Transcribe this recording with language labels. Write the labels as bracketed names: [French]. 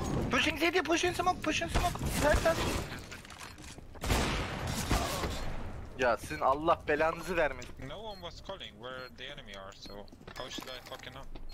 [English] Pushing CT, pushing smoke, pushing smoke. [Turkish] Sert sert. Ya sizin Allah belanızı vermesin. [English] No one was calling where the enemy are, so how should I fucking know?